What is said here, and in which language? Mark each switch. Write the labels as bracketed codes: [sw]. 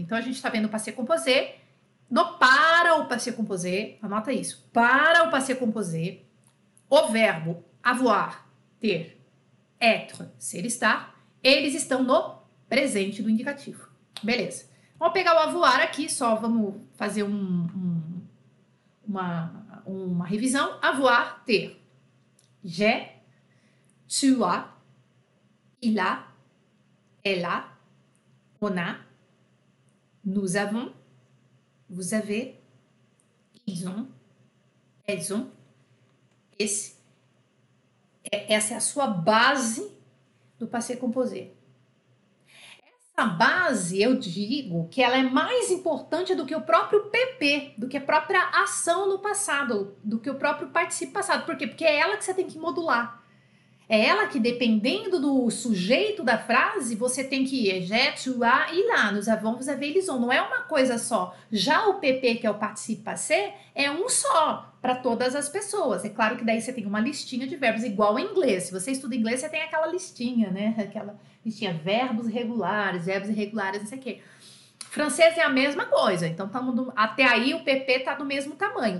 [pt] Então, a gente está vendo o passé composé, para o passé composé, anota isso, para o passé composé, o verbo avoir, ter, être, ser, estar, eles estão no presente do indicativo. Beleza. Vamos pegar o avoir aqui, só vamos fazer uma revisão. Avoir, ter. [fr] J'ai, tu as, il a, elle a, on a, nous avons, vous avez, ils ont, elles ont. [pt] Essa é a sua base do passé composé. Essa base, eu digo que ela é mais importante do que o próprio PP, do que a própria ação no passado, do que o próprio particípio passado. Por quê? Porque é ela que você tem que modular. É ela que, dependendo do sujeito da frase, você tem que ir. [fr] Je, tu, a, e lá, nos avons, vous avez, ils ont. [pt] Não é uma coisa só. Já o PP, que é o particípio passé, é um só para todas as pessoas. É claro que daí você tem uma listinha de verbos, igual em inglês. Se você estuda inglês, você tem aquela listinha, né? Aquela listinha, verbos irregulares, não sei o quê. Francês é a mesma coisa. Então, até aí o PP tá do mesmo tamanho.